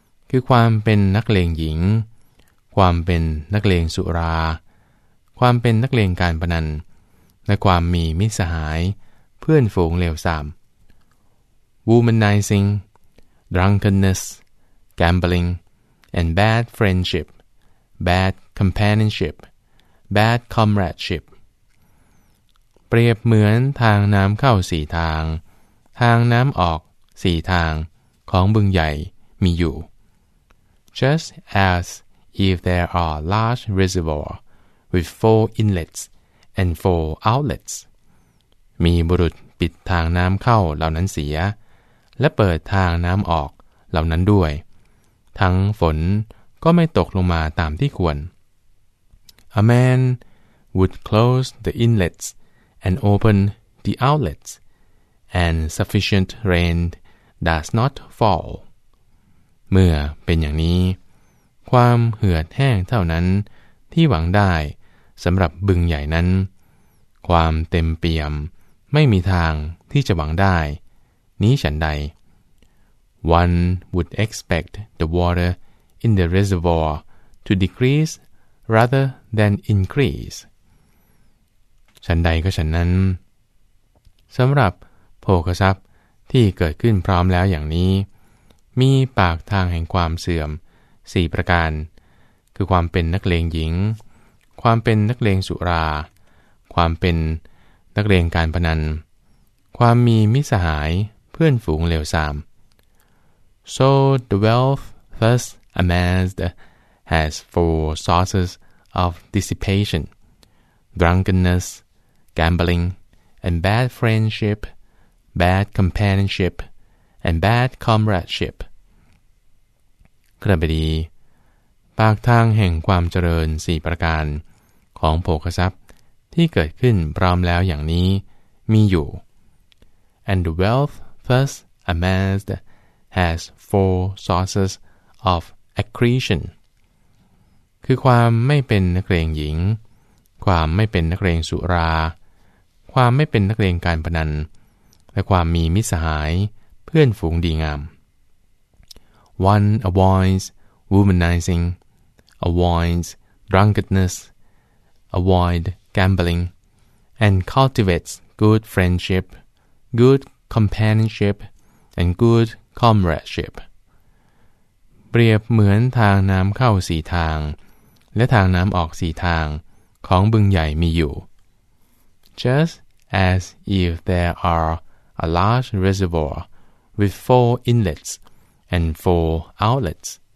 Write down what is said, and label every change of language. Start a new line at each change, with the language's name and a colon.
Thai: คือความเป็นนักเลงหญิงความเป็นนักเลงสุราความเป็นนักเลงการพนันและความมีมิตรสหายเพื่อนฝูงเลวทราม
English: Womanizing, drunkenness, gambling, and bad friendship, bad companionship, bad comradeship.
Thai: เปรียบเหมือนทางน้ำเข้า4ทางทางน้ำออก4ทางของบึงใหญ่มีอยู่
English: Just as if there are large reservoir with four inlets and four outlets
Thai: มีบุรุษปิดทางน้ำเข้าเหล่านั้นเสียและเปิดทางน้ำออกเหล่านั้นด้วยทั้งฝนก็ไม่ตกลงมาตามที่ควร
English: A man would close the inletsAnd open the outlets, and sufficient rain does not fall.
Thai: เมื่อเป็นอย่างนี้ความเหือดแห้งเท่านั้นที่หวังได้สำหรับบึงใหญ่นั้นความเต็มเปี่ยมไม่มีทางที่จะหวังได้นี้ฉันใด
English: One would expect the water in the reservoir to decrease rather than increase.
Thai: ฉันใดก็ฉันนั้นสำหรับโภคทรัพย์ที่เกิดขึ้นพร้อมแล้วอย่างนี้มีปากทางแห่งความเสื่อม4ประการคือความเป็นนักเลงหญิงความเป็นนักเลงสุราความเป็นนักเลงการพนันความมีมิตรสหายเพื่อนฝูงเลวทราม
English: So the wealth thus amassed has four sources of dissipation drunkenness,Gambling, and bad friendship, bad companionship, and bad comradeship.
Thai: กระบดีปากทางแห่งความเจริญ4ประการของโภคทรัพย์ที่เกิดขึ้นพร้อมแล้วอย่างนี้มีอยู่
English: And the wealth thus amassed has four sources of accretion.
Thai: คือความไม่เป็นนักเลงหญิงความไม่เป็นนักเลงสุรา ความไม่เป็นนักเลงการพนันและความมีมิตรสหายเพื่อนฝูงดีงาม
English: One avoids womanizing, avoids drunkenness, avoids gambling, and cultivates good friendship, good companionship, and good comradeship.
Thai: เปรียบเหมือนทางน้ำเข้าสี่ทางและทางน้ำออกสี่ทางของบึงใหญ่มีอยู่
English: Just as if there are a large reservoir with four inlets and four outlets.